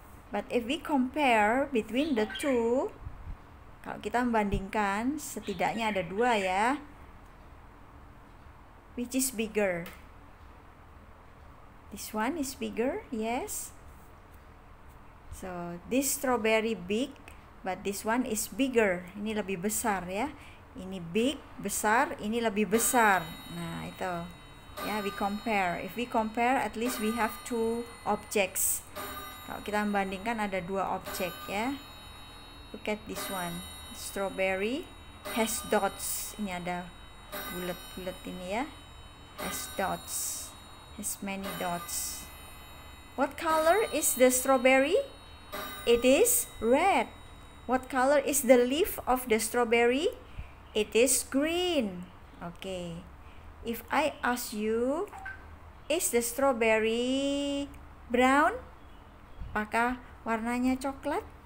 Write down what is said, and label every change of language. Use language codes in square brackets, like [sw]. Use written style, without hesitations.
[en] But if we compare between the two, [id] kalau kita membandingkan, setidaknya ada dua ya. [en] Which is bigger? This one is bigger, yes. So, this strawberry big, but this one is bigger. [id] Ini lebih besar ya. Ini big, besar, ini lebih besar. [en] Nah, itu. Ya, we compare. If we compare, at least we have two objects. [id] Kalau kita membandingkan, ada dua objek ya. [en] Look at this one. Strawberry has dots. [id] Ini ada bulat-bulat ini ya. [en] Has dots. Has many dots. What color is the strawberry? It is red. What color is the leaf of the strawberry? It is green. Okay. If I ask you, is the strawberry brown? [id] Apakah warnanya coklat?